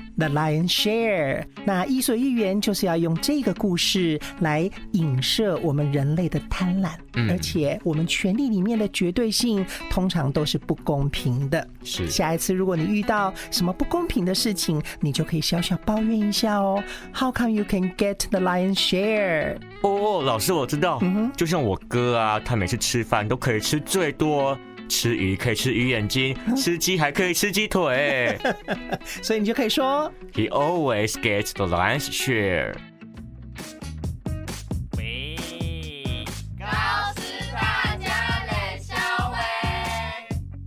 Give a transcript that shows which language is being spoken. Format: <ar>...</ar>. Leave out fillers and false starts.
<en>The Lion's Share，</en> <zh>那伊索寓言就是要用这个故事来影射我们人类的贪婪，而且我们权力里面的绝对性通常都是不公平的。是，下一次如果你遇到什么不公平的事情，你就可以小小抱怨一下哦。</zh> <en>How come you can get the Lion's Share？</en> <zh>哦，老师我知道，就像我哥啊，他每次吃饭都可以吃最多。吃鱼可以吃鱼眼睛，吃鸡还可以吃鸡腿。所以你就可以说</zh> <en>He always gets the lion's share。</en> <zh>喂，高师大家冷笑微，</zh>